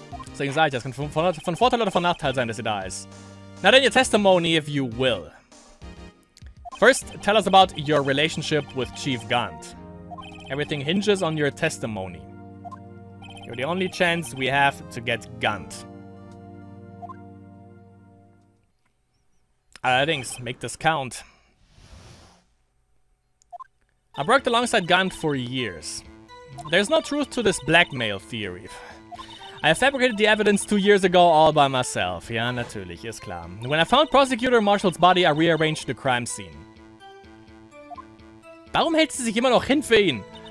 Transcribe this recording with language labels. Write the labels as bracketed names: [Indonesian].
[German] Deswegen sage ich, es kann von Vorteil oder von Nachteil sein, dass sie da ist. [English] Now then, your testimony, if you will. First, tell us about your relationship with Chief Gant. Everything hinges on your testimony. You're the only chance we have to get Gant. Allerdings, make this count. I've worked alongside Gant for years. There's no truth to this blackmail theory. I fabricated the evidence 2 years ago all by myself. [German] Ja, natürlich, ist klar. [English] When I found Prosecutor Marshall's body, I rearranged the crime scene. [German] Warum hält sie sich immer noch hin für ihn?